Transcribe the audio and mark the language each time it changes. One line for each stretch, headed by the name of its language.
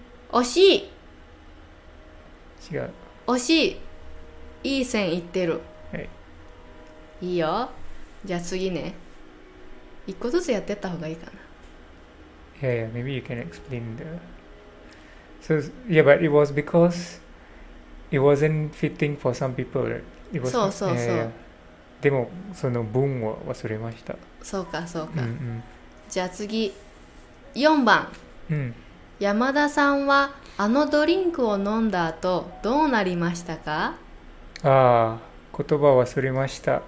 Japanese: 惜しい。違う。惜しい。いい線いってる。はい。いいよ。じゃあ次ね。一個ずつやってった方がいいかな。いやいや、
English: maybe you can explain the... So, yeah, but it was because it wasn't fitting for some people. It was...
Japanese: そうそうそう。
English: Yeah, yeah.
Japanese: でも、その文を忘れました。そうかそうか。うんうん、じゃあ次。4番。うん。山田さんはあのドリンクを飲んだ後どうなりましたか？ああ、言葉忘れました。